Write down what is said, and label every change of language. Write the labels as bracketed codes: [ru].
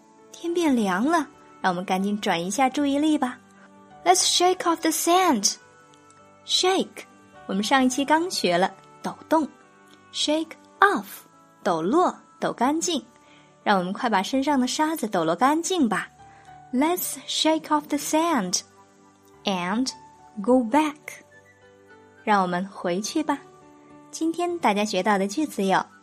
[zh] 天变凉了让我们赶紧转一下注意力吧。 [en] Let's shake off the sand. [zh] Shake, 我们上一期刚学了抖动。Shake off, 抖落，抖干净。让我们快把身上的沙子抖落干净吧。 [en] Let's shake off the sand and go back. [zh] 让我们回去吧。今天大家学到的句子有